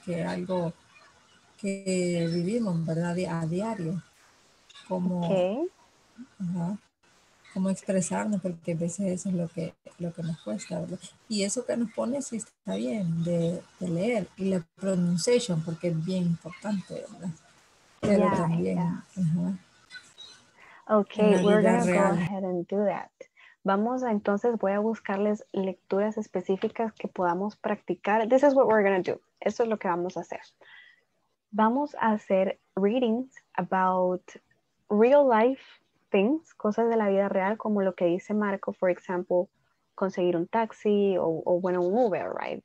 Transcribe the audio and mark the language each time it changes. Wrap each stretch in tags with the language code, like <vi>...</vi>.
<es>Que algo que vivimos, ¿verdad? A diario. Como, okay. Ajá, como expresarnos, porque a veces eso es lo que nos cuesta, ¿verdad? Y eso que nos pone sí está bien de leer. Y la pronunciation, porque es bien importante, ¿verdad? Pero</es> <en>yeah,</en> <es>también, yeah. Ajá.</es> <en>Ok, we're going to go ahead and do that.</en> <es>Vamos a, entonces, voy a buscarles lecturas específicas que podamos practicar.</es> <en>This is what we're going to do.</en> <es>Esto es lo que vamos a hacer. Vamos a hacer</es> <en>readings about real life things,</en> <es>cosas de la vida real, como lo que dice Marco,</es> <en>for example,</en> <es>conseguir un taxi o bueno, un Uber,</es> <en>right?</en>